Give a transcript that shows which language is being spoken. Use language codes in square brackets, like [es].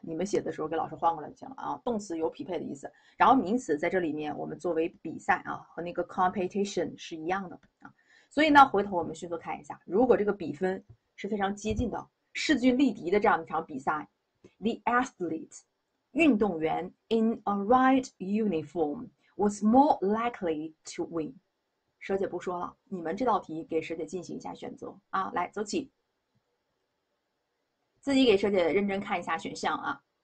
[zh] 你们写的时候给老师换过来就行了啊。动词有匹配的意思，然后名词在这里面我们作为比赛啊，和那个 competition 是一样的啊。所以呢，回头我们迅速看一下，如果这个比分是非常接近的，势均力敌的这样一场比赛， [en] the athlete。 [zh] 运动员 [en] in a red uniform was more likely to win。 [zh] 蛇姐不说了，你们这道题给蛇姐进行一下选择啊，来走起，自己给蛇姐认真看一下选项啊。